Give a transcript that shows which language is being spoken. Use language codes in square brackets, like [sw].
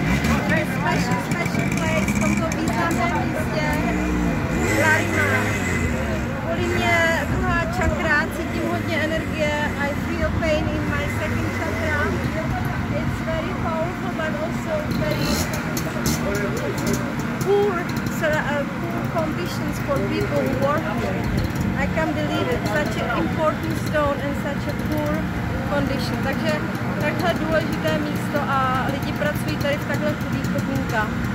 [en] A special, special place [cs] v tomto významném místě. [en] Larimar. [cs] Kvůli mě druhá čakra, cítím hodně energie. [en] I feel pain in my second chakra. It's very powerful, but also very poor conditions for people who work here. I can't believe it. Such an important stone and such a poor condition. [cs] Takže takhle důležité místo a lidi pracují tady v takhle chudých podmínkách.